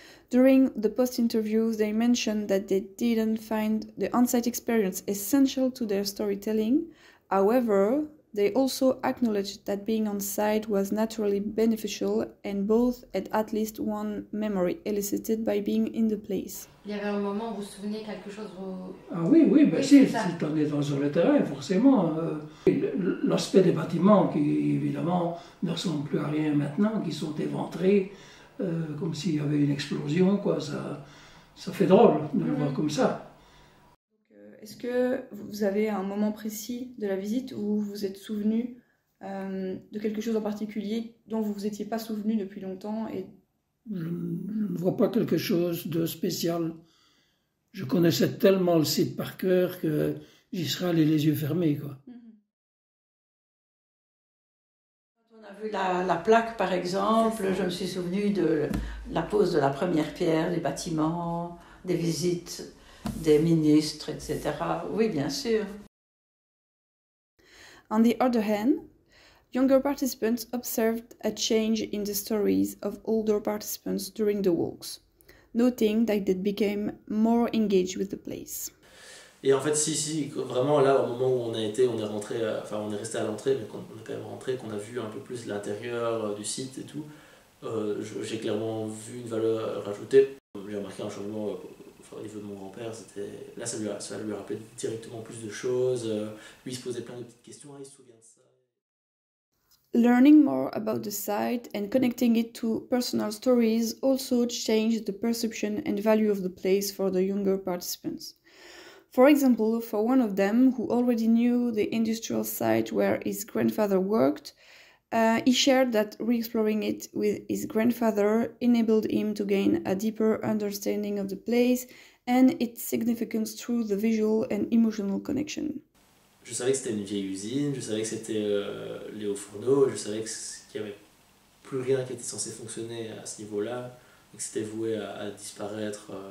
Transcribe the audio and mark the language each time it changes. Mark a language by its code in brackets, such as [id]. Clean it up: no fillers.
[en] During the post-interviews, they mentioned that they didn't find the on-site experience essential to their storytelling. However, they also acknowledged that being on-site was naturally beneficial, and both had at least one memory elicited by being in the place. [fr] Il y avait un moment où vous souvenez quelque chose où... Ah oui, oui, ben oui, si, si on est dans le terrain, forcément. L'aspect des bâtiments qui, évidemment, ne ressemblent plus à rien maintenant, qui sont éventrés, comme s'il y avait une explosion, quoi, ça fait drôle de le voir comme ça. Est-ce que vous avez un moment précis de la visite où vous vous êtes souvenu de quelque chose en particulier dont vous vous étiez pas souvenu depuis longtemps et... Je ne vois pas quelque chose de spécial. Je connaissais tellement le site par cœur que j'y serais allé les yeux fermés, quoi. Quand on a vu la plaque, par exemple, je me suis souvenu de la pose de la première pierre, des bâtiments, des visites... des ministres, etc. Oui, bien sûr. [en] On the other hand, younger participants observed a change in the stories of older participants during the walks, noting that they became more engaged with the place. [fr] Et en fait, si, vraiment là, au moment où on a été, on est rentré, enfin, on est resté à l'entrée, mais qu'on est quand même rentré, qu'on a vu un peu plus l'intérieur du site et tout, j'ai clairement vu une valeur ajoutée. J'ai remarqué un changement. Au niveau de mon grand-père, c'était... là ça lui rappelait directement plus de choses. Lui il se posait plein de petites questions, il se souvient de ça. [en] Learning more about the site and connecting it to personal stories also changed the perception and value of the place for the younger participants. For example, for one of them who already knew the industrial site where his grandfather worked, he shared that re-exploring it with his grandfather enabled him to gain a deeper understanding of the place and its significance through the visual and emotional connection. [fr] Je savais que c'était une vieille usine, je savais que c'était les hauts fourneaux, je savais qu'il y avait plus rien qui était censé fonctionner à ce niveau-là, et que c'était voué à disparaître.